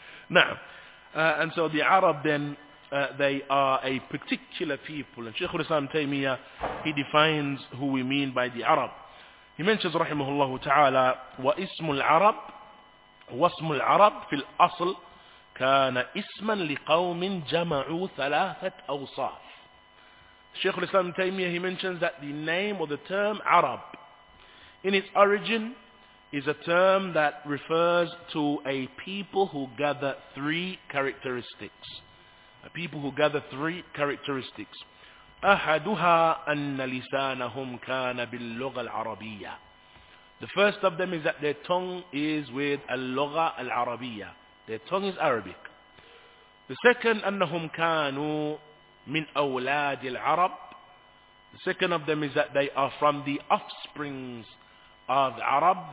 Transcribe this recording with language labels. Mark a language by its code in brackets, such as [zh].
[en] Now, and so the Arab then, they are a particular people. And Shaykh al-Islam Taymiyyah, he defines who we mean by the Arab. He mentions, rahimahullah ta'ala, [ar] وَإِسْمُ الْعَرَبِ وَاسْمُ الْعَرَبِ فِي الْأَصْلِ كَانَ إِسْمًا لِقَوْمٍ جَمَعُوا ثَلَاثَةَ أَوْصَافٍ. [en] Shaykh al-Islam Taymiyyah, he mentions that the name or the term Arab, in its origin, is a term that refers to a people who gather three characteristics. A people who gather three characteristics. [ar] أَحَدُهَا أَنَّ لِسَانَهُمْ كَانَ بِاللُّغَ الْعَرَبِيَّةِ. [en] The first of them is that their tongue is with [ar] اللغة العربية. [en] Their tongue is Arabic. The second, [ar] أَنَّهُمْ كَانُوا مِنْ أَوْلَادِ الْعَرَبِ. [en] The second of them is that they are from the offsprings of Arab.